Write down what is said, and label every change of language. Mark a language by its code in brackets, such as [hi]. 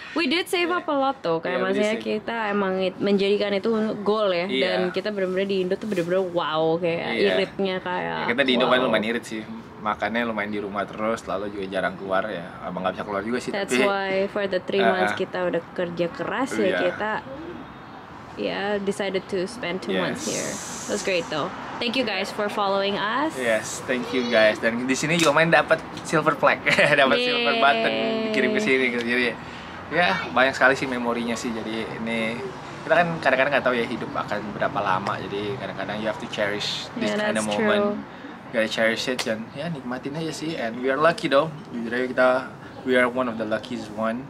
[en] We did save up a lot [id] tuh. Karena maksudnya kita emang menjadikan itu goal ya. Dan kita benar-benar di Indo tuh benar-benar wow, kayak iritnya kayak. Kita di Indo kan lumayan irit sih. Makannya lumayan di rumah terus, lalu juga jarang keluar ya. Abang nggak bisa keluar juga sih. [en] That's why for the 3 months [id] kita udah kerja keras ya kita. [en] Decided to spend 2 months here. That's great though. Thank you guys for following us. Yes, thank you guys. [id] Dan di sini juga main dapat silver plaque, dapat silver button dikirim ke sini. Jadi banyak sekali sih memorinya sih. Jadi ini kita kan kadang-kadang enggak tahu ya hidup akan berapa lama. Jadi kadang-kadang [en] you have to cherish this kind of moment. Gotta cherish it [id] dan nikmatin aja sih. [en] And we are lucky though. [id] Jujur aja kita [en] we are one of the luckiest one.